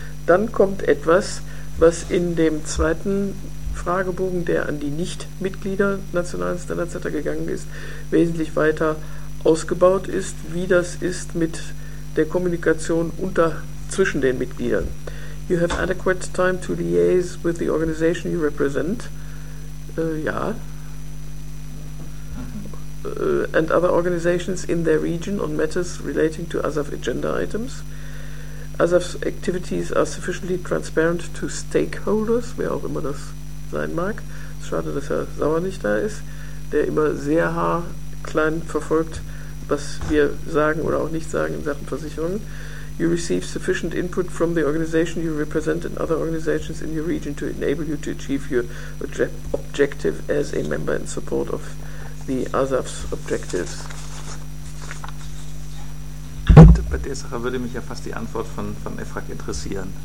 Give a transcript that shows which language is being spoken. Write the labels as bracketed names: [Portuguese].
[German] Dann kommt etwas, was in dem zweiten Fragebogen, der an die Nicht-Mitglieder Nationalen Standardsetter gegangen ist, wesentlich weiter ausgebaut ist, wie das ist mit der Kommunikation zwischen den Mitgliedern. [English] You have adequate time to liaise with the organization you represent. Ja. And other organizations in their region on matters relating to ASAF agenda items. ASAF's activities are sufficiently transparent to stakeholders, [German] wer auch immer das sein mag. Schade, dass Herr Sauer nicht da ist, der immer sehr haarklein verfolgt, was wir sagen oder auch nicht sagen in Sachen Versicherungen. [English] You receive sufficient input from the organization you represent and other organizations in your region to enable you to achieve your objective as a member in support of the ASAF's objectives. [German] Bei der Sache würde mich ja fast die Antwort von EFRAG interessieren.